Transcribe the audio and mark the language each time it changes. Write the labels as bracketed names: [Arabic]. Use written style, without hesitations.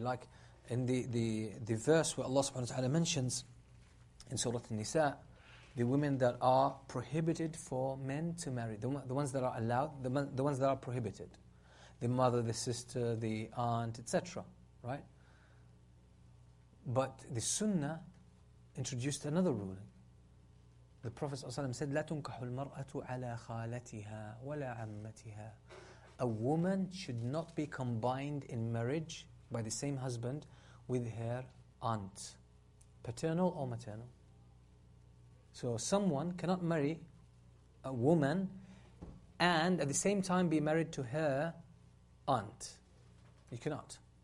[English] Like in the verse where Allah subhanahu wa ta'ala mentions in Surah An-Nisa, the women that are prohibited for men to marry, the ones that are allowed, the ones that are prohibited, the mother, the sister, the aunt, etc., right? But the Sunnah introduced another ruling. The Prophet ﷺ said, [Arabic] لَا تُنْكَحُ الْمَرْأَةُ عَلَى خَالَتِهَا وَلَا عَمَّتِهَا. [English] A woman should not be combined in marriage by the same husband with her aunt, paternal or maternal. So someone cannot marry a woman and at the same time be married to her aunt. You cannot.